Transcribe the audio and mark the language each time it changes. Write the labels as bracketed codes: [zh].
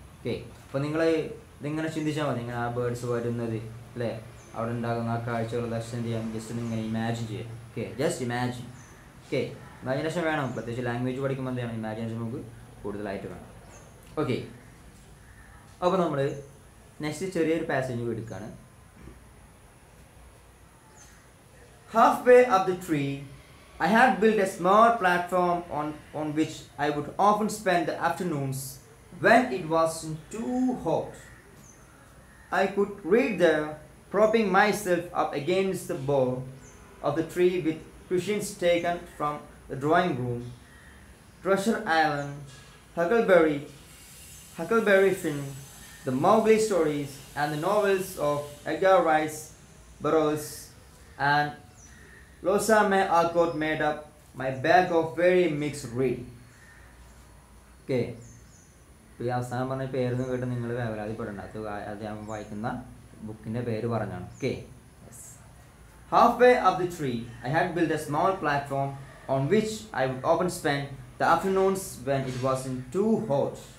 [ml] Okay, അപ്പോൾ നിങ്ങൾ ഇതിങ്ങനെ ചിന്തിച്ചാൽ മതി, ഇങ്ങനെ ആ ബേഡ്സ് വരുന്നത് അല്ലേ അവിടെ ഉണ്ടാകുന്ന ആ കാഴ്ചകൾ ദർശനം ചെയ്യാം, ജസ്റ്റ് നിങ്ങനെ ഇമാജിൻ ചെയ്യാം. Okay, just imagine. Okay, imagination വേണം, പ്രത്യേകിച്ച് ലാംഗ്വേജ് പഠിക്കുമ്പോൾ എന്ത് ചെയ്യണം, ഇമാജിനേഷൻ നമുക്ക് കൂടുതലായിട്ട് വേണം. ഓക്കെ, അപ്പോൾ നമ്മൾ നെക്സ്റ്റ് ചെറിയൊരു പാസേജ് എടുക്കുകയാണ്. [en] Half way of the tree I had built a small platform on which I would often spend the afternoons when it was too hot. I could read there, propping myself up against the bole of the tree with cushions taken from the drawing room. Treasure Island, Huckleberry Finn, the Mowgli stories and the novels of Edgar Rice Burroughs and Lossa May Alcott made up my bag of very mixed reading. Okay. [ml] ഈ അവസാനം പറഞ്ഞ പേരൊന്നും കേട്ട് നിങ്ങൾ വേവരാതിപ്പെടണ്ട. അത് അദ്ദേഹം വായിക്കുന്ന ബുക്കിൻ്റെ പേര് പറഞ്ഞാണ്. Okay. [en] Half way up the tree I had build a small platform on which I would open spend the afternoons when it was in too hot.